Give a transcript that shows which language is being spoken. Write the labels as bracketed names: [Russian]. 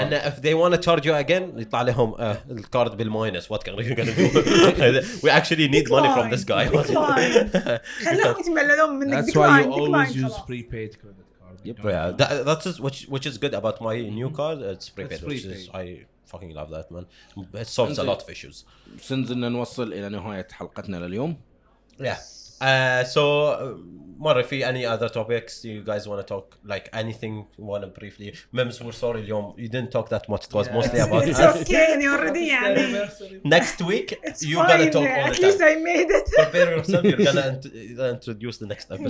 [English] And if they want to charge you again, [Arabic] يطلع لهم الكارد بالماينس. [English] What are you gonna do? We actually need money from this guy. [Arabic] خلاهم يتملون منك. [English] That's why you always use prepaid credit card. Yeah, that's which is good about my new card. It's prepaid. I fucking love that man. It solves a lot of issues. [Arabic] سنزلنا نوصل إلى نهاية حلقتنا لليوم. [English] Yeah. So مرة في any other topics you guys want to talk, like anything you want to briefly. Memes, we're sorry اليوم you didn't talk that much. It was mostly about it's us. Okay, يعني already يعني. Next week you gonna talk all at the least time. I made it. Prepare yourself. You're gonna introduce the next episode.